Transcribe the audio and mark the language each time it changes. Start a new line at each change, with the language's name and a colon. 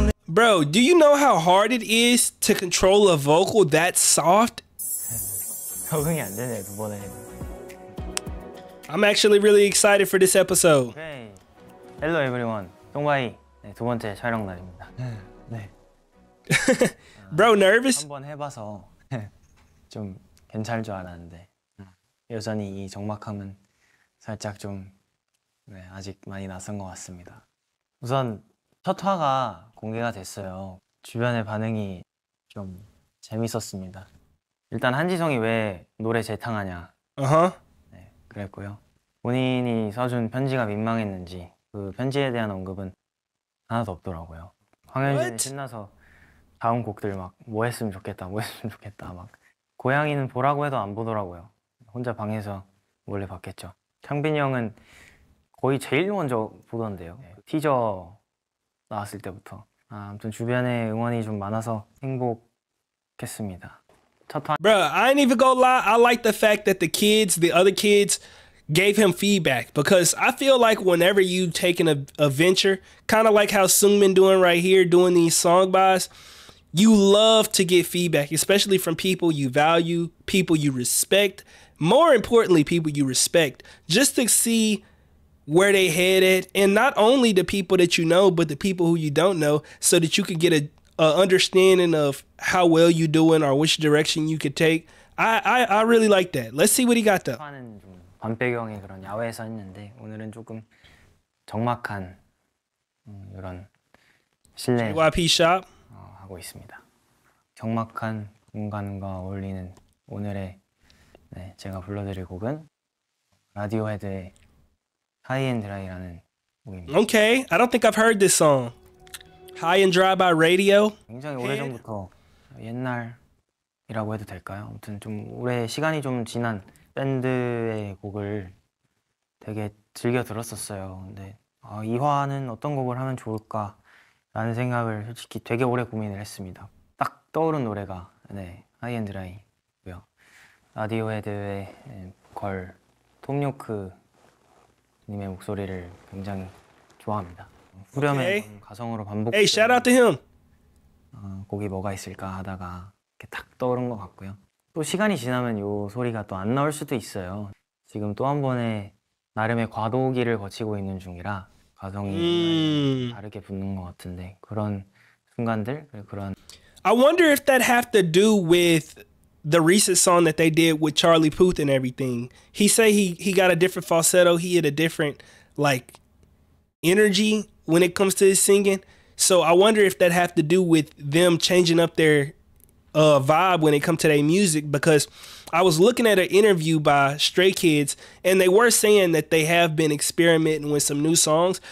English: Bro, do you know how hard it is to control a vocal that soft?
Korean: 적응이 안 되네, 두 번에.
English: I'm actually really excited for this episode. Hey. Hello everyone.
Korean: 동바이. 네, 두 번째 촬영 날입니다. 네.
English: Bro, nervous?
Korean: 한번 해 봐서 좀 괜찮을 줄 알았는데. 여전히 이 적막함은 살짝 좀 네, 아직 많이 낯선 것 같습니다. 우선 첫 화가 공개가 됐어요. 주변의 반응이 좀 재밌었습니다. 일단 한지성이 왜 노래 재탕하냐. 어허. 네, 그랬고요. 본인이 써준 편지가 민망했는지 그 편지에 대한 언급은 하나도 없더라고요. 황현진이 신나서 다음 곡들 막 뭐 했으면 좋겠다, 뭐 했으면 좋겠다 막 고양이는 보라고 해도 안 보더라고요. 혼자 방에서 몰래 봤겠죠. 창빈이 형은 거의 제일 먼저 보던데요. 네. 티저 나왔을 때부터. 아, 아무튼 주변에 응원이 좀 많아서 행복했습니다.
English: 뭐, I ain't even gonna lie. I like the fact that the other kids gave him feedback because I feel like whenever you take a venture, kind of like how Seungmin doing right here doing these song bars, you love to get feedback, especially from people you value, people you respect, more importantly people you respect, just to see where they headed, and not only the people that you know, but the people who you don't know, so that you could get a understanding of how well you're doing or which direction you could take. I really like that. Let's see what he got though.
Korean: 화는 좀 밤배경에 그런 야외에서 했는데 오늘은 조금 적막한 이런 실내
English: JYP shop
Korean: 하고 있습니다. 적막한 공간과 어울리는 오늘의 네, 제가 불러드릴 곡은 라디오헤드의 High and Dry라는 곡입니다.
English: Okay, I don't think I've heard this song. High and Dry by Radio.
Korean: 굉장히 오래전부터 옛날이라고 해도 될까요? 아무튼 좀 오래 시간이 좀 지난 밴드의 곡을 되게 즐겨 들었었어요. 근데 이 화는 어떤 곡을 하면 좋을까라는 생각을 솔직히 되게 오래 고민을 했습니다. 딱 떠오른 노래가 네, High and Dry고요. 라디오헤드의 걸 톰 요크 님의 목소리를 굉장히 좋아합니다. 후렴에 okay. 가성으로 반복.
English: Hey, shout out to him.
Korean: 곡이 뭐가 있을까 하다가 이렇게 딱 떠오른 것 같고요. 또 시간이 지나면 이 소리가 또 안 나올 수도 있어요. 지금 또 한 번의 나름의 과도기를 거치고 있는 중이라 과성이 다르게 붙는 것 같은데 그런 순간들 그런.
English: I wonder if that have to do with the recent song that they did with Charlie Puth and everything. He say he got a different falsetto. He had a different like energy when it comes to his singing. So I wonder if that have to do with them changing up their vibe when it comes to their music, because I was looking at an interview by Stray Kids and they were saying that they have been experimenting with some new songs.